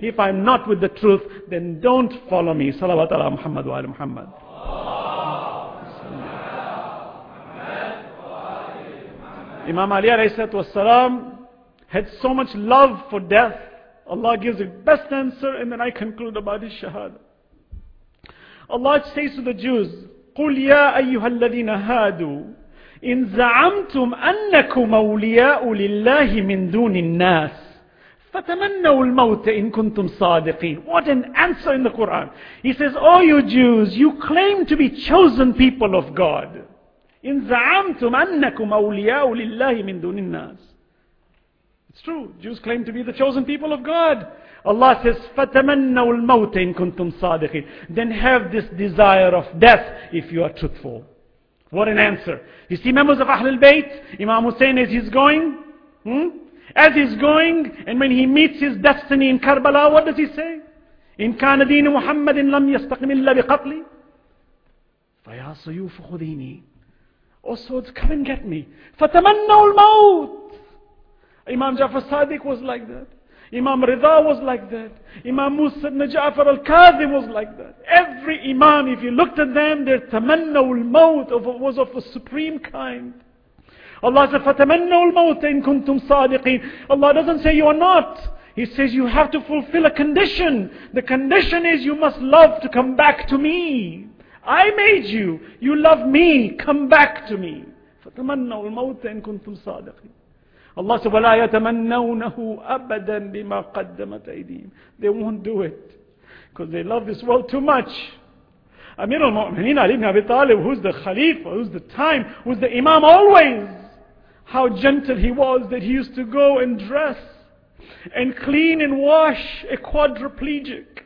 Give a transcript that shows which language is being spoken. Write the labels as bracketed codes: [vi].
[en] If I'm not with the truth, then don't follow me. [ar] Salawat ala Muhammad wa ala Muhammad. [en] Imam Ali alayhi salam had so much love for death. Allah gives the best answer and then I conclude about his shahada. Allah says to the Jews, [ar] قُلْ يَا أَيُّهَا الَّذِينَ هَادُوا إِنْ زَعَمْتُمْ أَنَّكُمْ أَوْلِيَاءُ لِلَّهِ مِنْ دُونِ النَّاسِ فَتَمَنَّوا الْمَوْتَ إِنْ كُنْتُمْ صَادِقِينَ. [en] What an answer in the Quran. He says, oh you Jews, you claim to be chosen people of God. [ar] إِنْ زَعَمْتُمْ أَنَّكُمْ أَوْلِيَاءُ لِلَّهِ مِنْ دُونِ النَّاسِ. [en] It's true, Jews claim to be the chosen people of God. Allah says, [ar] فَتَمَنَّوا الْمَوْتَ إِن كُنْتُمْ صَادِقِينَ. [en] Then have this desire of death if you are truthful. What an answer. You see members of Ahlul Bayt, Imam Hussein as he's going, and when he meets his destiny in Karbala, what does he say? [ar] إِن كَانَ دِينِ مُحَمَّدٍ لَمْ يَسْتَقِمِ اللَّهِ بِقَتْلِ فَيَا سُيُوفُ خُذِينِ. [en] Oh swords, come and get me. [ar] فَتَمَنَّوا الْمَوْتَ. [en] Imam Jafar Sadiq was like that. Imam Rida was like that. Imam Musa ibn Ja'far al-Kadhim was like that. Every Imam, if you looked at them, their [ar] tamannaw al-maut [en] was of a supreme kind. Allah said, [ar] فَتَمَنَّوا الْمَوْتَ إِن كُنْتُمْ صَادِقِينَ. [en] Allah doesn't say you are not. He says you have to fulfill a condition. The condition is you must love to come back to me. I made you. You love me. Come back to me. [ar] فَتَمَنَّوا الْمَوْتَ إِن كُنْتُمْ صَادِقِينَ. [en] Allah said, [ar] وَلَا يَتَمَنَّوْنَهُ أَبَدًا بِمَا قَدَّمَتْ أَيْدِيهِمْ. [en] They won't do it. Because they love this world too much. Amir al-Mu'mineen Ali ibn Abi Talib, who's the Khalifa, who's the time, who's the Imam always. How gentle he was that he used to go and dress and clean and wash a quadriplegic.